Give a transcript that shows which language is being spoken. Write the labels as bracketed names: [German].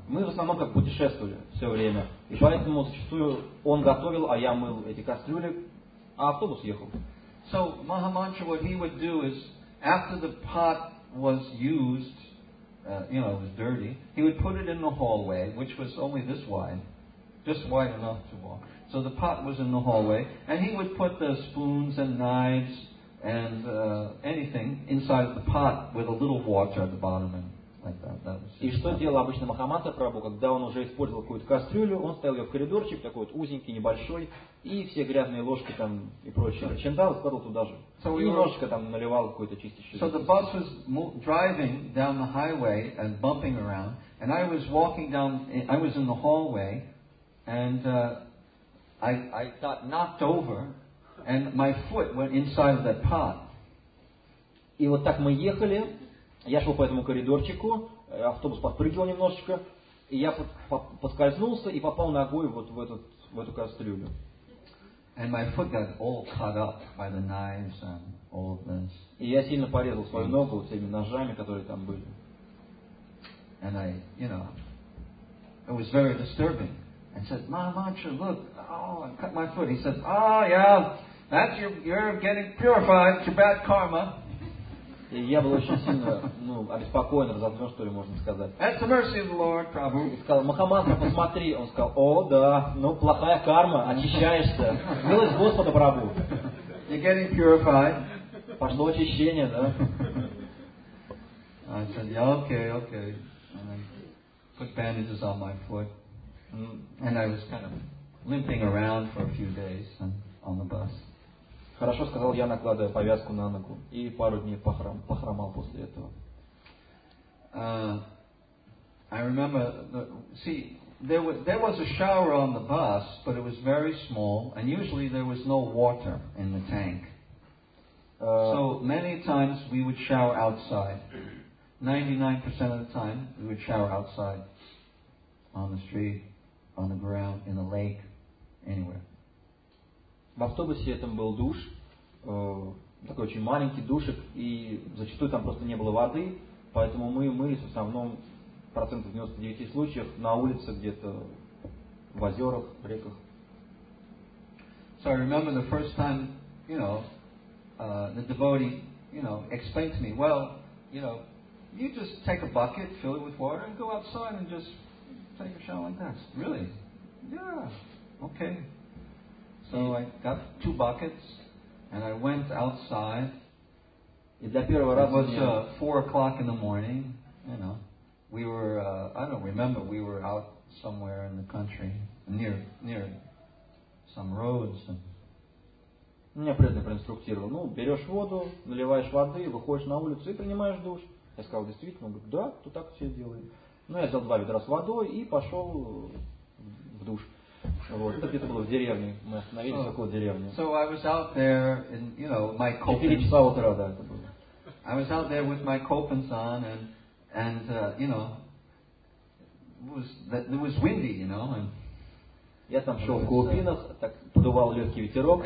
[Russian] Мы в основном как путешествовали все время. И поэтому зачастую он готовил, а я мыл эти кастрюли, а автобус ехал. [English] So Mahamantra, what he would do is, after the pot was used, you know, it was dirty, he would put it in the hallway, which was only this wide, just wide enough to walk. So the pot was in the hallway, and he would put the spoons and knives and anything inside the pot with a little water at the bottom and [Russian] И что делал обычно Махамантра Прабху, когда он уже использовал какую-то кастрюлю, он ставил ее в коридорчик, такой вот узенький, небольшой, и все грязные ложки там и прочее, чем дал, складывал туда же. И немножко там наливал какую-то чистящую. [English] So the bus was driving down the highway and bumping around, and I was walking down, I was in the hallway, and I got knocked over, and my foot went inside that pot. [Russian] И вот так мы ехали, Я шел по этому коридорчику, автобус подпрыгивал немножечко, и я поскользнулся и попал ногой вот в эту кастрюлю. [English] And my foot got all cut up by the knives and all of this. [Russian] И я сильно порезал свою ногу вот этими ножами, которые там были. [English] And I, you know, it was very disturbing. And said, Mahamantra, look, oh, I cut my foot. He said, oh, yeah, that's you're getting purified, your bad karma. [Russian] И я был очень сильно, ну, обеспокоен, разозлен, что ли, можно сказать. [English] At the mercy of the Lord, Prabhu. [Russian] И сказал, Махамантра, посмотри. Он сказал, о, да, ну, плохая карма, очищаешься. Милость Господа, Прабху. [English] You're getting purified. [Russian] Пошло очищение, да. [English] I said, yeah, okay, okay. And I put bandages on my foot. And I was kind of limping around for a few days on the bus. [Russian] Хорошо, сказал я, накладывая повязку на ногу. И пару дней похромал после этого. [English] I remember, there was a shower on the bus, but it was very small, and usually there was no water in the tank. So many times we would shower outside. 99% of the time we would shower outside. On the street, on the ground, in the lake, anywhere. [Russian] В автобусе этом был душ. Такой очень маленький душик, и зачастую там просто не было воды, поэтому мы мылись в основном процентов 99 случаев на улице где-то, в озерах, в реках. [English] So I remember the first time, you know, the devotee, you know, explained to me, well, you know, you just take a bucket, fill it with water, and go outside and just take a shower like that. Really? Yeah. Okay. So I got two buckets, And I went outside. [Russian] И для первого раза [English] it was 4 o'clock in the morning. You know, we were I don't remember. We were out somewhere in the country, near some roads. [Russian] Меня преданный проинструктировал. Ну, берешь воду, наливаешь воды, выходишь на улицу и принимаешь душ. Я сказал, действительно, он говорит, да, тут так все делают. Ну, я взял 2 ведра с водой и пошел в душ. Вот. Это где-то было в деревне. Мы остановились в какой-то деревне. [English] So I was out there in, you know, my [Russian] copans. 4 часа утра, да, это было. [English] I was out there with my copans on, And you know, it was windy, you know, and [Russian] я там шел в глубинах, так подувал легкий ветерок.